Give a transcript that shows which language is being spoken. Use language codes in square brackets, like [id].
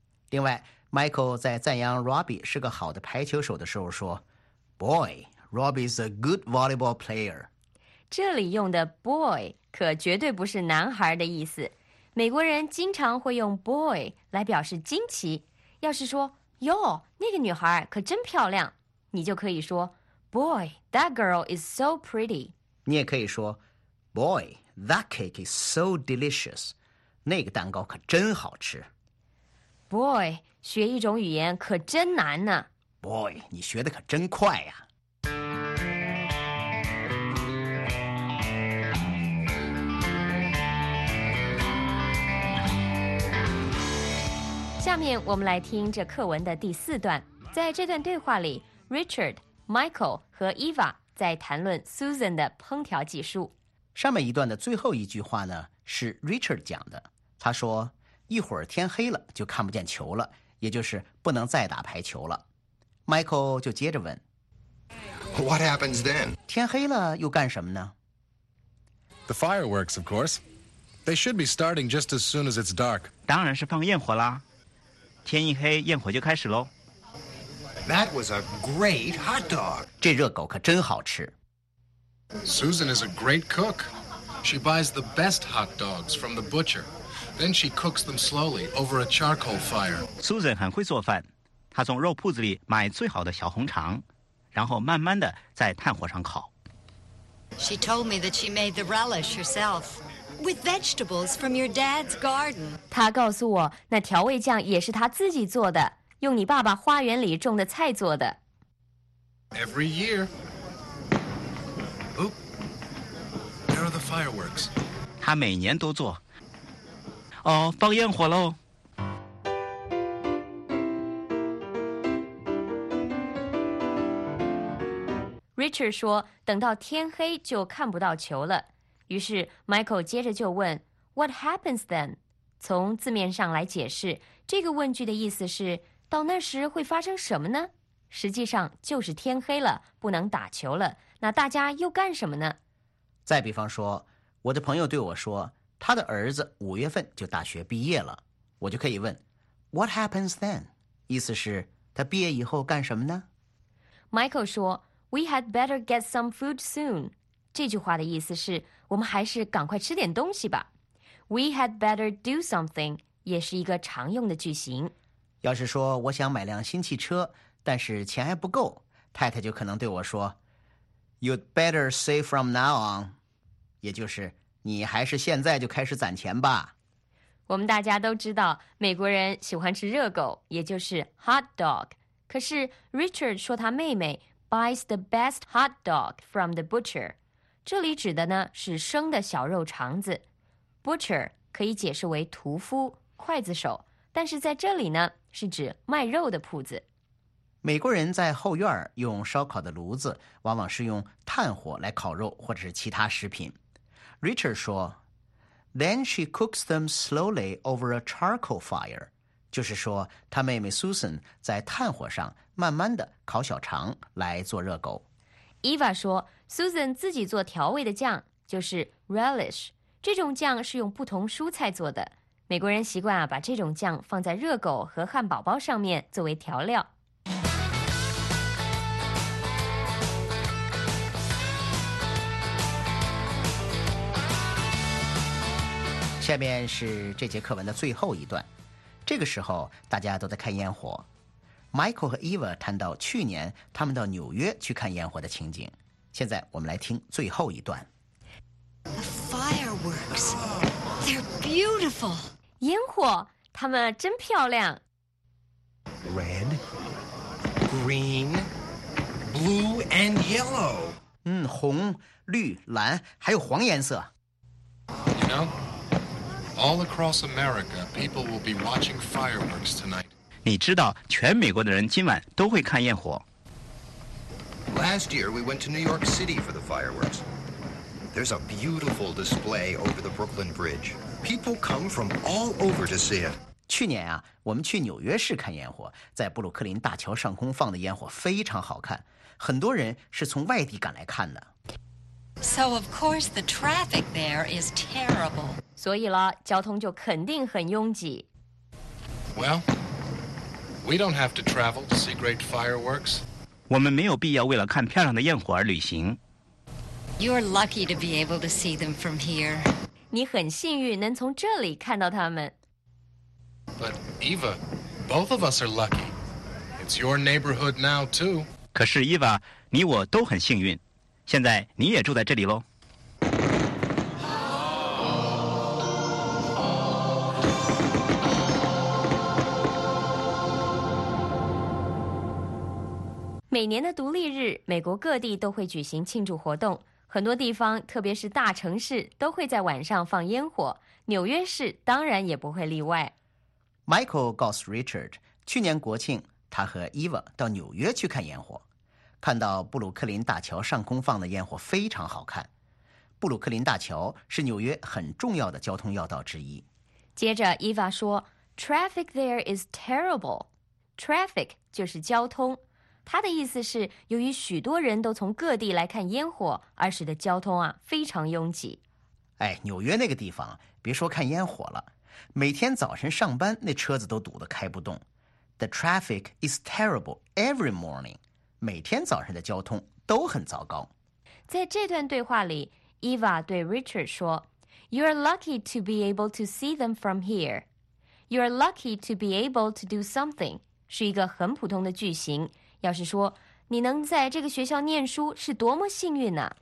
[zh] 另外 Michael 在赞扬 Robbie 是个好的排球手的时候说， [en] Boy, Robbie's a good volleyball player。 [zh] 这里用的 boy 可绝对不是男孩的意思，美国人经常会用 boy 来表示惊奇。要是说哟，那个女孩可真漂亮，你就可以说 [en] Boy, that girl is so pretty。你也可以说 BoyThat cake is so delicious. [zh] 那个蛋糕可真好吃。 Boy, 学一种语言可真难呢。 Boy, 你学的可真快呀。下面我们来听这课文的第四段。在这段对话里， Richard, Michael 和 Eva 在谈论 Susan 的烹调技术。上面一段的最后一句话呢是 Richard 讲的，他说一会儿天黑了就看不见球了，也就是不能再打排球了。 Michael 就接着问， [en] What happens then? [zh] 天黑了又干什么呢？ [en] The fireworks, of course. They should be starting just as soon as it's dark. [zh] 当然是放焰火啦，天一黑焰火就开始咯。 [en] That was a great hot dog. [zh] 这热狗可真好吃。 [en] Susan is a great cook. She buys the best hot dogs from the butcher. Then she cooks them slowly over a charcoal fire. [zh] Susan 很会做饭，她从肉铺子里买最好的小红肠，然后慢慢的在炭火上烤。 [en] She told me that she made the relish herself with vegetables from your dad's garden. [zh] 她告诉我，那调味酱也是她自己做的，用你爸爸花园里种的菜做的。 [en] Every year. There are the fireworks. [zh] 他每年都做。哦，放焰火喽。 Richard 说，等到天黑就看不到球了。于是 Michael 接着就问 ， [en] What happens then？ [zh] 从字面上来解释，这个问句的意思是，到那时会发生什么呢？实际上就是天黑了，不能打球了。那大家又干什么呢？再比方说，我的朋友对我说，他的儿子五月份就大学毕业了，我就可以问 [en] What happens then? [zh] 意思是他毕业以后干什么呢？ [en] Michael 说 We had better get some food soon. [zh] 这句话的意思是我们还是赶快吃点东西吧。 [en] We had better do something [zh] 也是一个常用的句型。要是说我想买辆新汽车，但是钱还不够，太太就可能对我说 [en] You'd better save from now on. [zh] 也就是你还是现在就开始攒钱吧。我们大家都知道美国人喜欢吃热狗，也就是 hot dog. 可是 Richard 说他妹妹 [en] buys the best hot dog from the butcher. [zh] 这里指的呢是生的小肉肠子。Butcher 可以解释为屠夫、刽子手，但是在这里呢是指卖肉的铺子。美国人在后院用烧烤的炉子往往是用炭火来烤肉或者是其他食品。 Richard 说 [en] Then she cooks them slowly over a charcoal fire. [zh] 就是说他妹妹 Susan 在炭火上慢慢的烤小肠来做热狗。 Eva 说 Susan 自己做调味的酱就是 relish。这种酱是用不同蔬菜做的。美国人习惯把这种酱放在热狗和汉堡包上面作为调料。下面是这节课文的最后一段，这个时候大家都在看烟火。 Michael 和 Eva 谈到去年他们到纽约去看烟火的情景，现在我们来听最后一段。 [en] The fireworks, they're beautiful. [zh] 烟火，它们真漂亮。 [en] Red, green, blue and yellow. [zh] 红、绿、蓝，还有黄颜色。 [en] You know,All across America, people will be watching fireworks tonight. [zh] 你知道，全美国的人今晚都会看焰火。 [en] Last year, we went to New York City for the fireworks. There's a beautiful display over the Brooklyn Bridge. People come from all over to see it. [zh] 去年啊，我们去纽约市看焰火，在布鲁克林大桥上空放的烟火非常好看，很多人是从外地赶来看的。 [en] So of course the traffic there is terrible. [zh] 所以了，交通就肯定很拥挤。 [en] Well, we don't have to travel to see great fireworks. [zh] 我们没有必要为了看漂亮的焰火而旅行。 [en] You're lucky to be able to see them from here. [zh] 你很幸运能从这里看到它们。 [en] But Eva, both of us are lucky. It's your neighborhood now too. [zh] 可是伊娃，你我都很幸运。现在你也住在这里喽。每年的独立日，美国各地都会举行庆祝活动，很多地方，特别是大城市，都会在晚上放烟火。纽约市当然也不会例外。 Michael 告诉 Richard， 去年国庆，他和 Eva 到纽约去看烟火。看到布鲁克林大桥上空放的烟火非常好看。布鲁克林大桥是纽约很重要的交通要道之一。接着伊娃说 , [en] traffic there is terrible. [zh] Traffic 就是交通。它的意思是由于许多人都从各地来看烟火而使得交通啊非常拥挤。哎，纽约那个地方别说看烟火了。每天早晨上班那车子都堵得开不动。 [en] The traffic is terrible every morning. [zh] 每天早上的交通都很糟糕。在这段对话里， [en] Eva 对 Richard 说 You're lucky to be able to see them from here. You're lucky to be able to do something [zh] 是一个很普通的句型，要是说你能在这个学校念书是多么幸运啊，